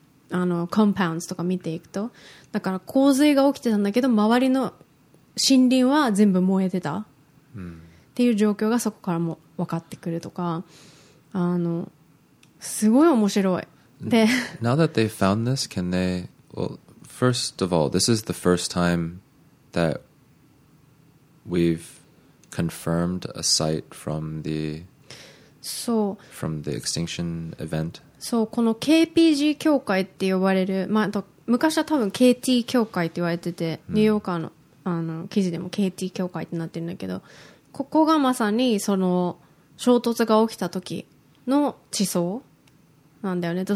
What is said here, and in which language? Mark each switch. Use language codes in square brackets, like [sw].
[ja] あのコンパウンドとか見ていくと、だから洪水が起きてたんだけど周りの森林は全部燃えてたっていう状況がそこからも分かってくるとか、あのすごい面白い。で、 [en] Now that they found this, can they? Well, first of all, this is the first time that we've confirmed a site from the extinction event. [ja] そう、この KPG 協会って呼ばれる、まあ、昔は多分 KT 協会って言われてて、ニューヨーカーの、あの記事でも KT 協会ってなってるんだけど、ここがまさにその衝突が起きた時の地層なんだよね。